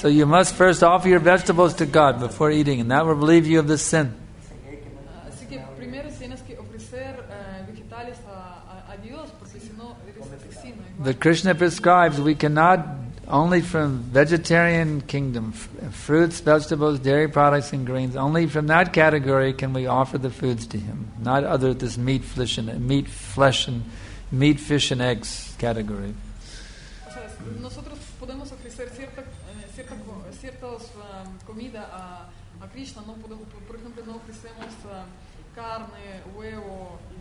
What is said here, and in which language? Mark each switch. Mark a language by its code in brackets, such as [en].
[en] So you must first offer your vegetables to God before eating, and that will relieve you of the sin. [es] Así que primero tienes que ofrecer vegetales a Dios, porque si no eres asesino. [en] The Krishna prescribes we cannot only from vegetarian kingdom, fruits, vegetables, dairy products and greens, only from that category can we offer the foods to him, not other this meat, fish and eggs category. [es] Nosotros podemos ofrecer ciertas comida a Krishna, no podemos, por ejemplo, no ofrecemos carne, huevo.